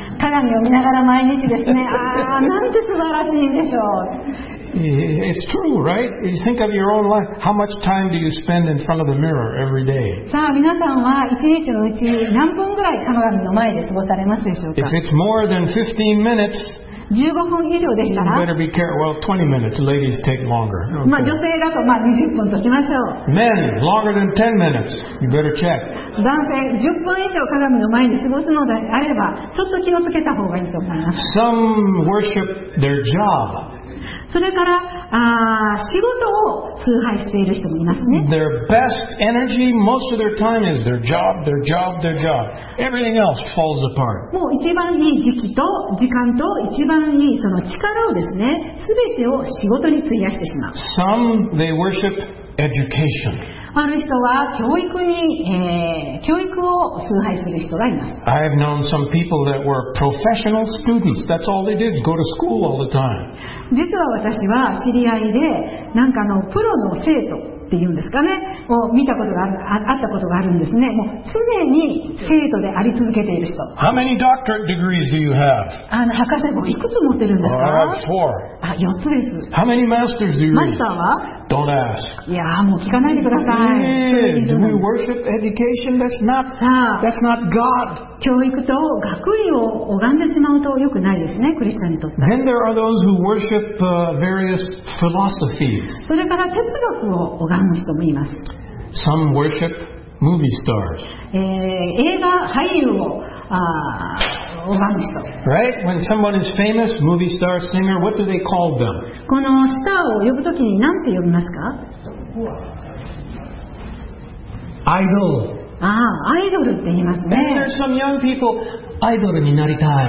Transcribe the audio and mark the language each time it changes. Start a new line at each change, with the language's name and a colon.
Japanese: 鏡を見ながら毎日ですね。ああ、なんて素晴らしいんでしょう。
English: It's true, right? You think of your own life. How much time do you spend in front of the mirror every day?
Japanese: さあ、皆さんは一日のうち何分ぐらい鏡の前で過ごされますでしょうか。
English: If it's more than 15 minutes,
Japanese: 15分以上でしたら、
English: you better be careful. Well, 20 minutes. Ladies take longer. Okay.
Japanese: まあ、女性だとまあ20分としましょう。
English: Men, longer than 10 minutes. You better check.
Japanese: 男性、10分以上鏡の前で過ごすのであれば、ちょっと気をつけた方がいいと思います。
English: Some worship their job.
Japanese: それから、仕事を崇拝している人もいますね。
English: Their best energy, most of their time is their job, their job, their job. Everything else falls apart.
Japanese: もう一番いい時期と時間と一番いいその力をですね、すべてを仕事に費やしてしまう。
English: Some they worship education.
Japanese: ある人は教育に、教育を崇拝する人がいます。
English: I have known some people that were professional students. That's all they did, go to school all the time.
Japanese: 実は私は知り合いで、なんかのプロの生徒っていうんですかね、を見たことがある、あったことがあるんですね。もう常に生徒であり続けている人。
English: How many doctorate degrees do you have?
Japanese: あの、博士号いくつ持ってるんですか?
English: I have four.
Japanese: あ、四つです。
English: How many masters do you have?
Japanese: マスターは?
English: Don't ask.
Japanese: いやもう聞かないでください。
English: Do we worship education? That's not God.
Japanese: 教育と学位を拝んでしまうと良くないですね、クリスチャンにとって。
English: Then there are those who worship various philosophies.
Japanese: それから哲学を拝む人もいます。
English: Some worship movie stars.
Japanese: 映画俳優を拝む人。
English: Right? When someone is famous, movie star, singer, what do they call them?
Japanese: このスターを呼ぶときに何て呼びますか?
English: Idol.
Japanese: ああ、アイドルって言いますね。
English: And there's some young people,
Japanese: アイドルになりたい。